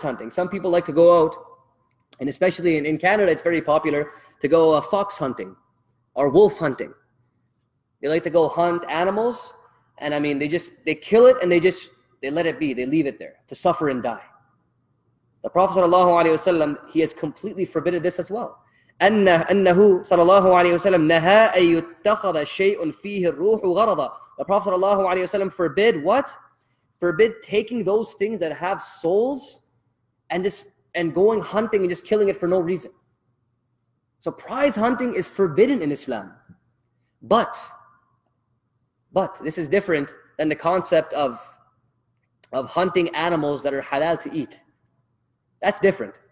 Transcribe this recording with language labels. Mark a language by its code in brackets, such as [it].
[en] Some people like to go out, and especially in Canada, it's very popular to go fox hunting or wolf hunting. They like to go hunt animals, and I mean, they kill it, and they let it be. They leave it there to suffer and die. The Prophet sallallahu alaihi wasallam, he has completely forbidden this as well. [ar] أَنَّهُ sallallahu alaihi wasallam نَهَا أَن يُتَّخَذَ شَيْءٌ فِيهِ الرُّوحُ غَرَضًا. [en] The Prophet sallallahu alaihi wasallam forbid what? Forbid taking those things that have souls and going hunting and just killing it for no reason. So prize hunting is forbidden in Islam. But this is different than the concept of hunting animals that are halal to eat. That's different.